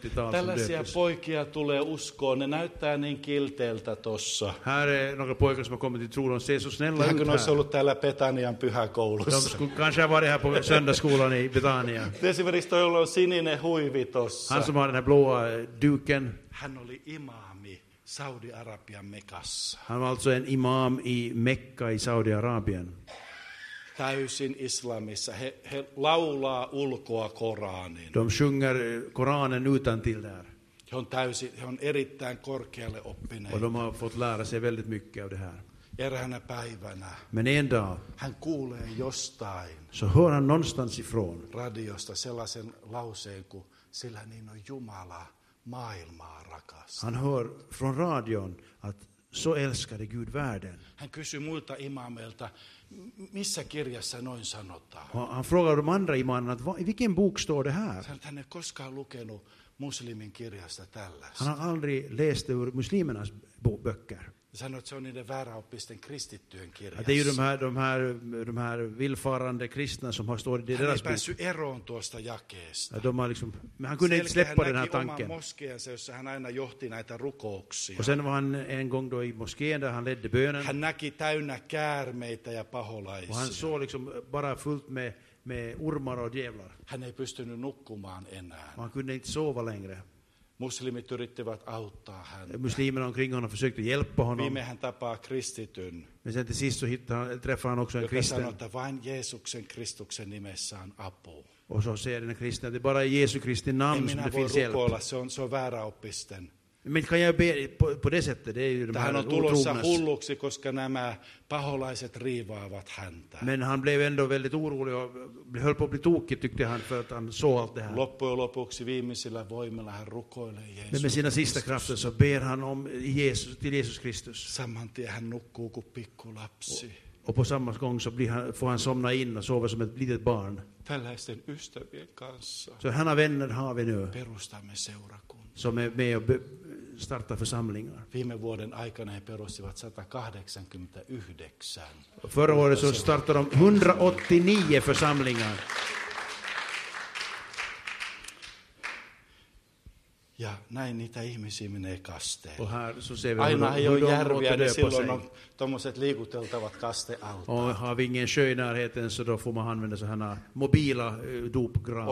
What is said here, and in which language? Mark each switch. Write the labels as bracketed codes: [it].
[fi] Tällaisia poikia tulee uskoon, ne näyttää niin kilteeltä tossa. [sv] Här är några pojkar som har kommit till tron, de ser så snälla ut här. [fi] Hän olisi ollut täällä Betanian pyhäkoulussa. [sv] Kanske har varit här på söndagsskolan i Betania. [fi] Esimerkiksi toi, jolla on sininen huivi tossa. [sv] Hän som har den här blåa duken. [fi] Hän oli imaami Saudi-Arabian Mekassa. [sv] Hän var alltså en imam i Mekka i Saudi-Arabien. [fi] Täysin islamissa. He laulaa ulkoa Koranin. [sv] De sjunger Koranen utantill där. [fi] He on erittäin korkealle oppineet. [sv] Och de har fått lära sig väldigt mycket av det här. [fi] Eräänä päivänä. [sv] Men en dag. [fi] Hän kuulee jostain. [sv] Så hör han någonstans ifrån. [fi] Radiosta sellaisen lauseen kuin, sillä niin on Jumala maailmaa rakas. [sv] Han hör från radion att så älskade Gud världen. [fi] Hän kysyy muilta imameilta, missä kirjassa noin sanotaan? [sv] Han frågar de andra imamerna, i vilken bok står det här? [fi] Hän ei koskaan lukenut muslimin kirjasta tällaista. [sv] Han har aldrig läst ur muslimernas böcker. [fi] Sanoit, se on niiden vääräoppisten kristittyjen kirjassa. [sv] Det är ju de här villfarande kristna som har stått i deras bok. [fi] Hän ei päässyt eroon tuosta jakeesta. [sv] De har liksom, men han kunde inte släppa den här tanken. [fi] Selkä hän näki oman moskeensa, jossa hän aina johti näitä rukouksia. [sv] Och sen var han en gång då i moskeen, där han ledde bönen. [fi] Hän näki täynnä käärmeitä ja paholaisia. [sv] Och han såg liksom bara fullt med urmar och djävlar. [fi] Hän ei pystynyt nukkumaan enää. [sv] Han kunde inte sova längre. [fi] Muslimit yrittivät auttaa häntä. [sv] Muslimerna omkring honom försökte hjälpa honom. [fi] Viime hän tapaa kristityn. [sv] Men sen till sist så träffar han också en kristen. [fi] Joka sanoo, että vain Jeesuksen Kristuksen nimessä on apu. [sv] Och så säger den kristen, att det bara är Jesu Kristi namn som det finns hjälp. [fi] Ei minä voi rukoilla, se on vääräoppisten. [sv] Men kan jag be på det sättet, det är ju de här otroligaste. [fi] Tähän on tulossa hulluksi, koska nämä paholaiset riivaavat häntä. [sv] Men han blev ändå väldigt orolig och höll på att bli tokig, tyckte han, för att han såg allt det här. [fi] Loppujen lopuksi viimeisillä voimilla hän rukoilee Jeesus. [sv] Men med sina sista krafter så ber han om Jesus, till Jesus Kristus. [fi] Samman tien hän nukkuu kuin pikkulapsi. [sv] Och på samma gång så får han somna in och sova som ett litet barn. [fi] Tällaisten ystävien kanssa. [sv] Så hänna vänner har vi nu. [fi] Perustamme seurakunnan. [sv] Som är med och starta församlingar. [fi] Viime vuoden aikana he perustivat 189. [sv] Förra året så startade de 189 församlingar. [fi] Ja näin niitä ihmisiä menee kasteen. [sv] Och här så ser vi [fi] aina ei ole järviä, niin silloin on tuommoiset liikuteltavat kastealtaat. [sv] Och har vi ingen sjö i närheten så då får man använda så här mobila dopgravar.